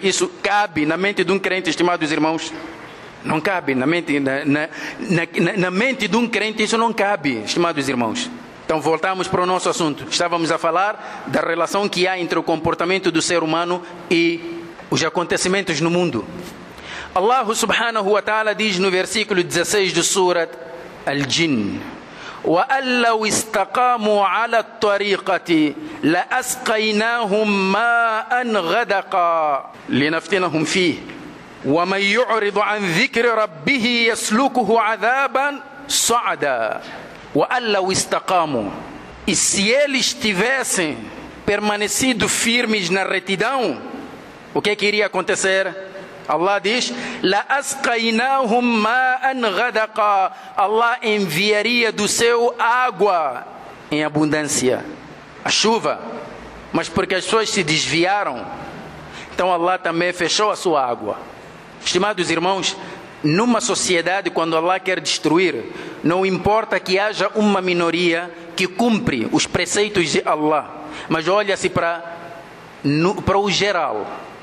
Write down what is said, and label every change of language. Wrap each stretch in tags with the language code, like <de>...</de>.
<pt>Isso cabe na mente de um crente, estimados irmãos? Não cabe na mente, na mente de um crente, isso não cabe, estimados irmãos. Então voltamos para o nosso assunto. Estávamos a falar da relação que há entre o comportamento do ser humano e os acontecimentos no mundo. Allah subhanahu wa ta'ala diz no versículo 16 de Surat Al-Jinn:</pt> <ar>وَأَلَّوْ إِسْتَقَامُوا عَلَى الطَّرِيقَةِ لَأَسْقَيْنَاهُمْ مَاءً غَدَقًا لِنَفْتِنَهُمْ فِيهِ وَمَنْ يُعْرِضُ عَنْ ذِكْرِ رَبِّهِ يَسْلُكُهُ عَذَابًا صَعَدًا وَأَلَّوْ إِسْتَقَامُوا.</ar> <pt>E se eles tivessem permanecido firmes na retidão, o que iria acontecer? Allah diz:</pt> <ar>لَأَسْقَيْنَاهُمْ مَاءً غَدَقًا.</ar> <pt>Allah enviaria do seu água em abundância, a chuva. Mas porque as pessoas se desviaram, então Allah também fechou a sua água. Estimados irmãos, numa sociedade, quando Allah quer destruir, não importa que haja uma minoria que cumpre os preceitos de Allah, mas olha-se para o geral.</pt>